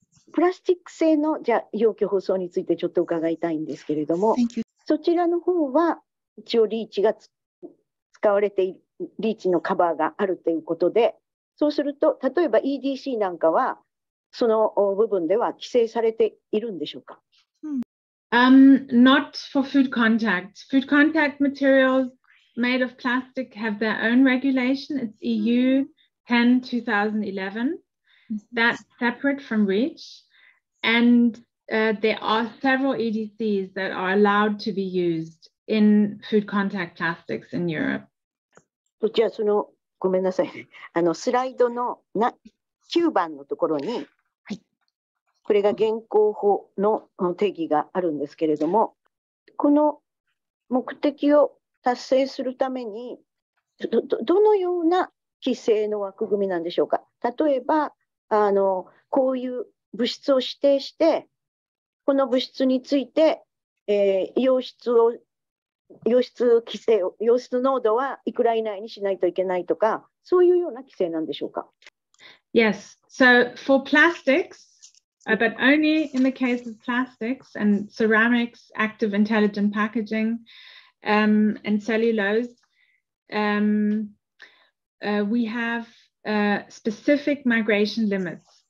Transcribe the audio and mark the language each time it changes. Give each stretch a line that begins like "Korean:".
Japanese: プラスチック製のじゃあ容器包装についてちょっと伺いたいんですけれども、そちらの方は一応リーチが使われている、リーチのカバーがあるということで、そうすると例えば EDC なんかはその部分では規制されているんでしょうか。
English: Not for food contact. Food contact materials made of plastic have their own regulation. It's EU 10/2011. That's separate from REACH. And there are several EDCs that are allowed to be used in food contact plastics in Europe. So,
Japanese: じゃあその、ごめんなさい。あの、スライドの9番のところに、はい、これが現行法の定義があるんですけれども、この目的を達成するために、どのような規制の枠組みなんでしょうか。例えば、あのこういう物質を指定して、この物質について、溶質を規制、溶質濃度はいくら以内にしないといけないとか、そういうような規制なんでしょうか。
English: Yes, so for plastics, but only in the case of plastics and ceramics, active intelligent packaging, and cellulose, we haveSpecific migration limits.